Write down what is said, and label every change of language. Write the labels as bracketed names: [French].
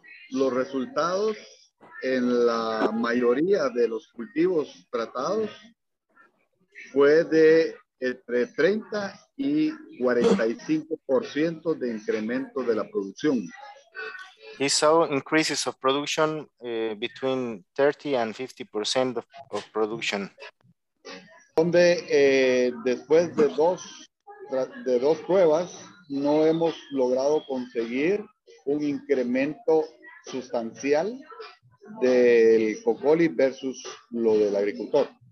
[Spanish] Los resultados en la mayoría de los cultivos tratados fue de entre 30 y 45% de incremento de la producción. [English] He saw increases of production between 30 and 50% of production. [Spanish] Donde después de dos pruebas no hemos logrado conseguir un incremento sustancial del cocoli versus lo del agricultor.